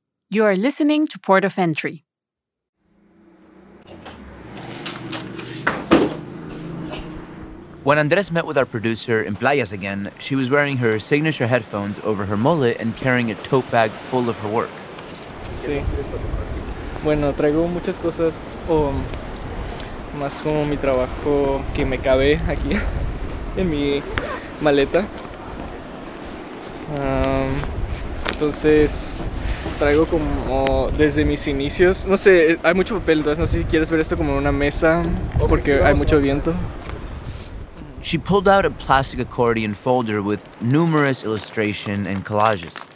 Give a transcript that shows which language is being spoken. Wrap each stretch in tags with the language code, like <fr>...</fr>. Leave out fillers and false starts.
<en>You are listening to Port of Entry. When Andres met with our producer in Playas again, she was wearing her signature headphones over her mullet and carrying a tote bag full of her work.</en> <es>Sí. Bueno, traigo muchas cosas, más como mi trabajo que me cabe aquí en mi maleta. Entonces traigo como desde mis inicios, no sé, hay mucho papel, entonces no sé si quieres ver esto como una mesa porque hay mucho viento.</es> <en>She pulled out a plastic accordion folder with numerous illustrations and collages.</en>